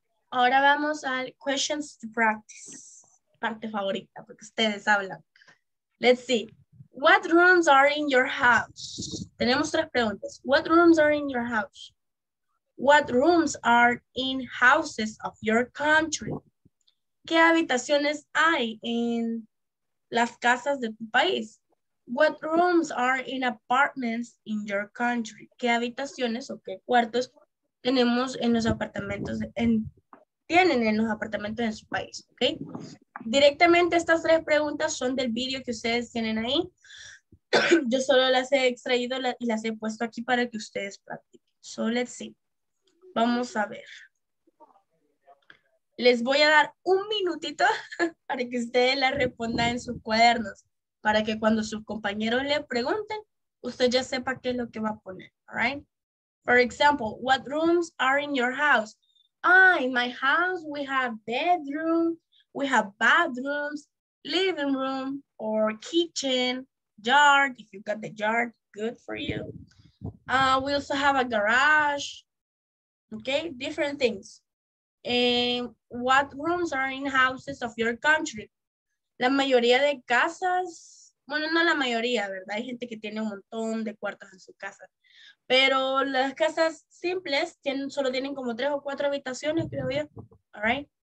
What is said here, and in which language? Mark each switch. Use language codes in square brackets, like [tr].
[es] Ahora vamos al [en] questions to practice. [es] Parte favorita, porque ustedes hablan. [en] Let's see. What rooms are in your house? [es] Tenemos tres preguntas. [en] What rooms are in your house? What rooms are in houses of your country? [es] ¿Qué habitaciones hay en las casas de tu país? [en] What rooms are in apartments in your country? [es] ¿Qué habitaciones o qué cuartos tenemos en los apartamentos en tienen en los apartamentos en su país, ¿ok? Directamente estas tres preguntas son del video que ustedes tienen ahí. Yo solo las he extraído y las he puesto aquí para que ustedes practiquen. [en] So let's see. [es] Vamos a ver. Les voy a dar un minutito para que ustedes la respondan en sus cuadernos, para que cuando sus compañeros le pregunten, usted ya sepa qué es lo que va a poner, ¿right? [en] For example, what rooms are in your house? Ah, in my house, we have bedroom, we have bathrooms, living room, or kitchen, yard, if you got the yard, good for you. We also have a garage, okay, different things. And what rooms are in houses of your country? [es] La mayoría de casas, bueno, no la mayoría, ¿verdad? Hay gente que tiene un montón de cuartos en su casa. Pero las casas simples tienen, solo tienen como tres o cuatro habitaciones, creo yo. [en] All right.